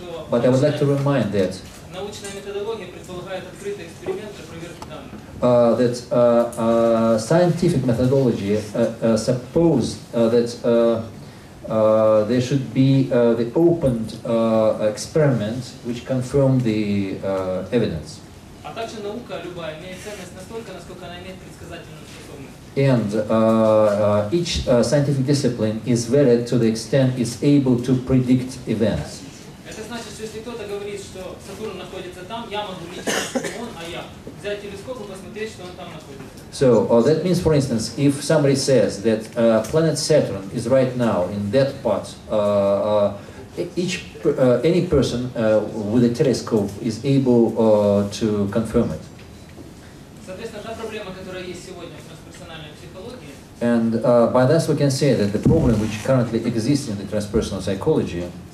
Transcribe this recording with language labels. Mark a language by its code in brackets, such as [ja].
[en] But I would like to remind that scientific methodology supposes that there should be the opened experiment which confirm the evidence. [ru] А также наука любая имеет ценность настолько, насколько она имеет предсказательную способность. [en] And each scientific discipline is valid to the extent it's able to predict events. [ru] Это значит, что если кто-то говорит, что Сатурн находится там, я могу видеть он, а я взять телескоп и посмотреть, что он там находится. [en] So that means, for instance, if somebody says that planet Saturn is right now in that part, any person with a telescope is able to confirm it. [ru] Соответственно, та проблема, которая есть сегодня в трансперсональной психологии. [en] And by that we can say that the problem which currently exists in the transpersonal psychology